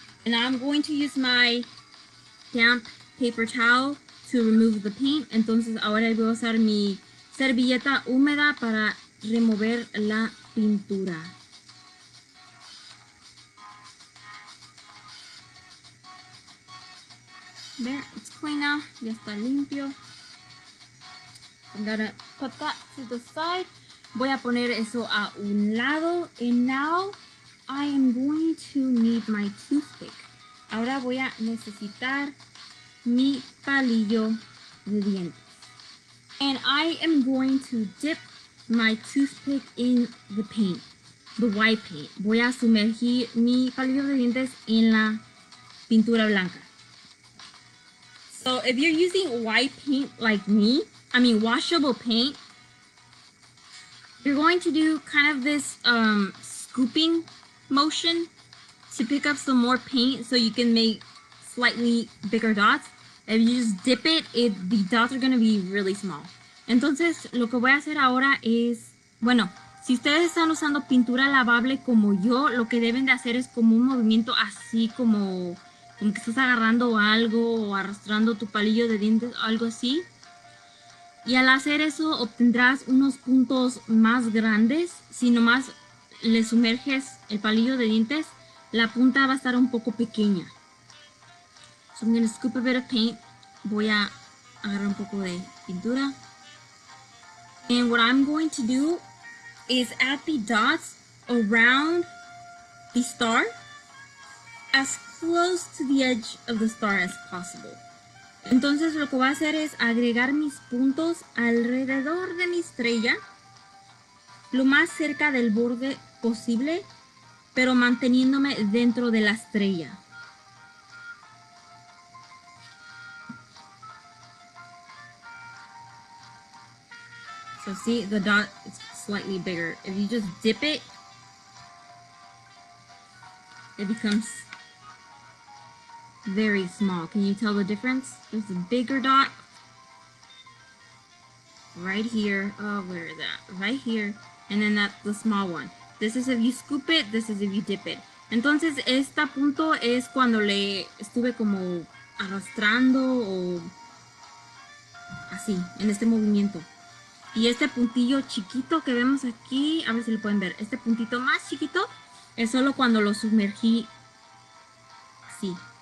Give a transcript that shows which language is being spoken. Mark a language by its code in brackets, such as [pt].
[en] And I'm going to use my damp paper towel to remove the paint. [es] Entonces ahora voy a usar mi servilleta húmeda para remover la pintura. [en] There, it's clean now. [es] Ya está limpio. [en] I'm gonna put that to the side. [es] Voy a poner eso a un lado. [en] And now I am going to need my toothpick. [es] Ahora voy a necesitar mi palillo de dientes. [en] And I am going to dip my toothpick in the paint, the white paint. [es] Voy a sumergir mi palillo de dientes en la pintura blanca. [en] So if you're using white paint like me, I mean washable paint, you're going to do kind of this scooping motion to pick up some more paint so you can make slightly bigger dots. If you just dip it, the dots are going to be really small. [es] Entonces, lo que voy a hacer ahora es, bueno, si ustedes están usando pintura lavable como yo, lo que deben de hacer es como un movimiento así como, como que estás agarrando algo o arrastrando tu palillo de dientes o algo así. Y al hacer eso, obtendrás unos puntos más grandes. Si nomás le sumerges el palillo de dientes, la punta va a estar un poco pequeña. [en] So I'm going to scoop a bit of paint. [es] Voy a agarrar un poco de pintura. [en] And what I'm going to do is add the dots around the star as close to the edge of the star as possible. [es] Entonces lo que voy a hacer es agregar mis puntos alrededor de mi estrella, lo más cerca del borde posible, pero manteniéndome dentro de la estrella. [en] So see, the dot is slightly bigger. If you just dip it, it becomes very small. Can you tell the difference? There's a bigger dot right here. Oh, where is that? Right here. And then that's the small one. This is if you scoop it, this is if you dip it. [es] Entonces, este punto es cuando le estuve como arrastrando o así, en este movimiento. Y este puntillo chiquito que vemos aquí, a ver si lo pueden ver, este puntito más chiquito es solo cuando lo sumergí así.